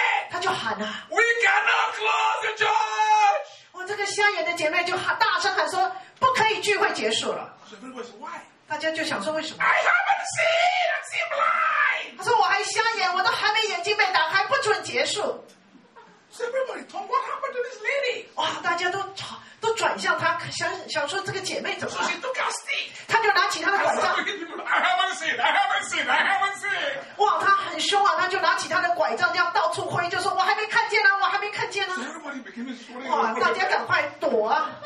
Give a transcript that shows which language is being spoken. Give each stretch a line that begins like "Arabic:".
Chinese: 他就喊啊
English: ！We cannot close the church。
Chinese: 我这个瞎眼的姐妹就喊，大声喊说：“不可以聚会结束了。” 大家就想说：“为什么
English: ？”I haven't seen. I'm still blind.
Chinese: 他说：“我还瞎眼，我都还没眼睛被打开，不准结束。
English: ”So everybody, Tom, what happened to this lady?
Chinese: 哇，大家都吵。都转向他，想说这个姐妹怎么了？他、so、她就拿起她的拐杖。
English: I haven't seen.
Chinese: 哇，她很凶啊！她就拿起她的拐杖，这样到处挥，就说：“我还没看见呢、啊，我还没看见呢、啊。
English: ”So everybody became sorry.
Chinese: 哇，大家赶快躲啊